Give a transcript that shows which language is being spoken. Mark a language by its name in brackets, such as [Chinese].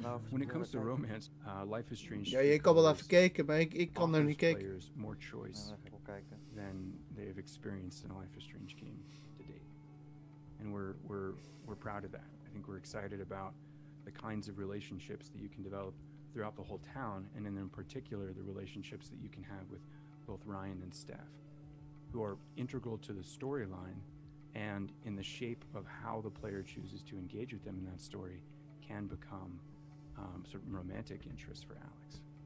[English] When it comes to romance, Life is Strange. [Dutch] Ja, je kan wel even kijken, maar ik kan daar niet kijken. [English] More choice than they have experienced in a Life is Strange game to date. And we're proud of that. I think we're excited about the kinds of relationships that you can develop throughout the whole town, and in particular, the relationships that you can have with both Ryan and Steph, who are integral to the storyline, and in the shape of how the player chooses to engage with them in that story, can become sort of romantic interest for Alex.